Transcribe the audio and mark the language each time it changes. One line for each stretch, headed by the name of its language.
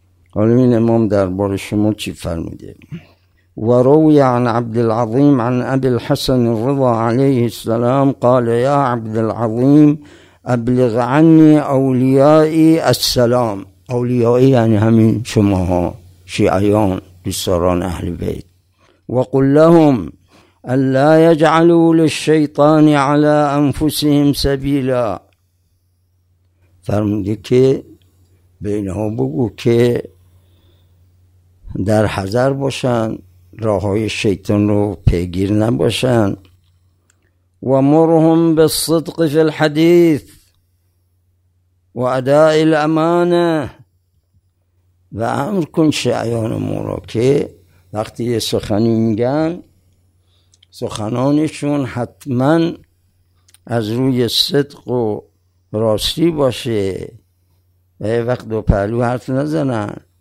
Persian: حالا این امام درباره شما چی فرموده؟
Arabic: و روی عن عبدالعظیم عن ابی الحسن الرضا علیه السلام قال یا عبدالعظیم ابلغ عنی اولیائی السلام.
Persian: اولیائی یعنی همین شماها شیعیان دوستداران اهل بیت.
Arabic: وقل لهم الا يجعلوا للشيطان على انفسهم سبيلا.
Persian: فرمودی که به اینها بگو که در حذر باشن، راههای شیطان رو پیگیر نباشن.
Arabic: و مرهم بالصدق في الحديث واداء الامانه.
Persian: و امر کن شیعان ما را که وقتی یه سخنی میگن سخنانشون حتما از روی صدق و راستی باشه و یه وقت دو پهلو حرف نزنن.